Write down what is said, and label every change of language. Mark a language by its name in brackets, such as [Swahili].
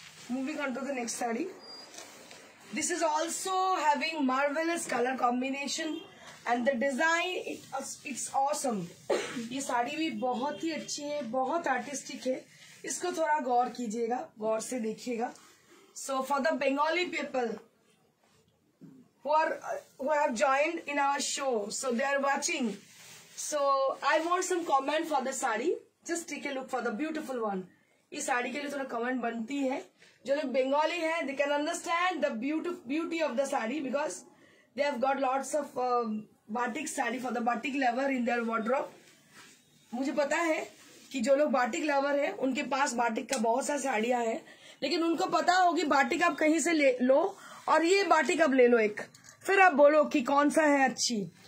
[English] Moving on to the next sari. This is also having marvelous color combination and the design, it's awesome. [Hindi] ये साड़ी भी बहुत ही अच्छी है, बहुत artistic है, इसको थोड़ा गौर कीजिएगा, गौर से देखिएगा। [English] So for the Bengali people who have joined in our show, so they are watching. So I want some comment for the sari. Just take a look for the beautiful one. [Hindi] ये साड़ी के लिए थोड़ा comment बनती है। जो लोग बंगाली हैं, [English] They can understand the beauty of the sari, because they have got lots of batik sari for the batik lover in their wardrobe. [Hindi] मुझे पता है कि जो लोग बाटिक लवर हैं, उनके पास बाटिक का बहुत सा साड़ियां हैं, लेकिन उनको पता होगी बाटिक आप कहीं से ले लो, और ये बाटिक आप ले लो एक, फिर आप बोलो कि कौन सा है अच्छी।